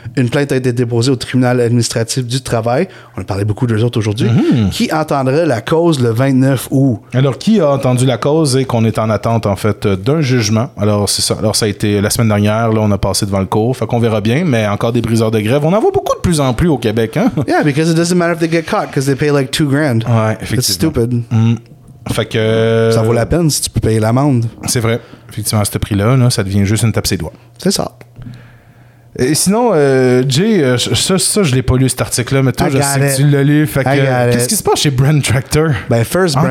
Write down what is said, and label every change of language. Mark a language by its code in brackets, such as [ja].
[fr] Une plainte a été déposée au tribunal administratif du travail. On a parlé beaucoup d'eux autres aujourd'hui. Mm-hmm. Qui entendrait la cause le 29 août? Alors, qui a entendu la cause et qu'on est en attente, en fait, d'un jugement? Alors, c'est ça. Alors, ça a été la semaine dernière. Là, on a passé devant le cours. Fait qu'on verra bien. Mais encore des briseurs de grève. On en voit beaucoup de plus en plus au Québec. Hein? [en] Yeah, because it doesn't matter if they get caught because they pay like $2,000. [fr] Ouais, effectivement. [en] It's stupid. [fr] Fait que ça vaut la peine si tu peux payer l'amende. C'est vrai. Effectivement, à ce prix-là, là, ça devient juste une tape ses doigts. C'est ça. Et sinon, Jay, ça, je l'ai pas lu cet article-là, mais toi, je sais que tu l'as lu. Fait que, qu'est-ce qui se passe chez Brent Tractor? [en] Ben, first, Brent